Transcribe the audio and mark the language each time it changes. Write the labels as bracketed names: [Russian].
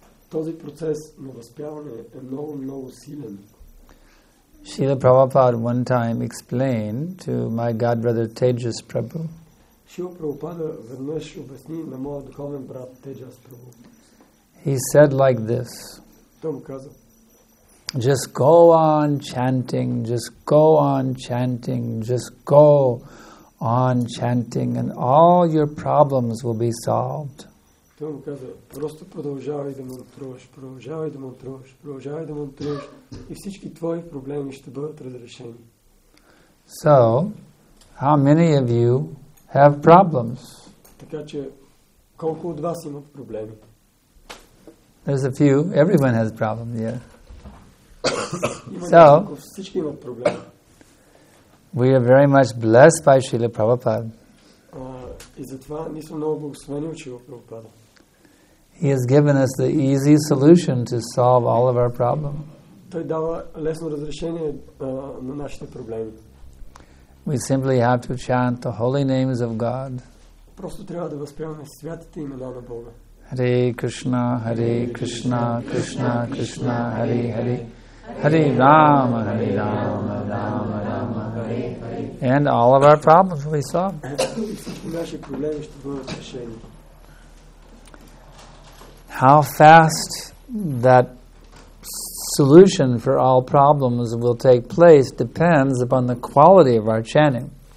[Bulgarian] Този процес на възпяване е много, много силен. [English] Srila Prabhupada one time explained to my godbrother Tejas Prabhu. [Bulgarian] Srila Prabhupada веднъж обясни на моя духовен брат Tejas Prabhu. [English] He said like this. [Bulgarian] Той му каза. [English] Just go on chanting, just go on chanting, just go on chanting and all your problems will be solved. [Bulgarian] Той му каза, просто продължавай да мантруваш, продължавай да мантруваш, продължавай да мантруваш и всички твои проблеми ще бъдат разрешени. [English] So, how many of you have problems? [Bulgarian] Така че, колко от вас имат проблеми? [English] There's a few. Everyone has problems, yeah. [Bulgarian] So, всички имат проблеми. [English] We are very much blessed by Srila Prabhupada. [Bulgarian] И затова ние сме много благословени от Srila Prabhupada. [English] He has given us the easy solution to solve all of our problems. [Bulgarian] Той дава лесно разрешение на нашите проблеми. [English] We simply have to chant the holy names of God. [Bulgarian] Просто трябва да възпяваме святите имена на Бога. [Sanskrit] Hare Krishna, Hare Krishna, Krishna Krishna, Hare Hare. Hare Rama, Hare Rama, Rama Rama, Hare Hare. [English] And all of our problems will be solved. [Bulgarian] Всички наши проблеми ще бъдат решени. [English] How fast that solution for all problems will take place depends upon the quality of our chanting.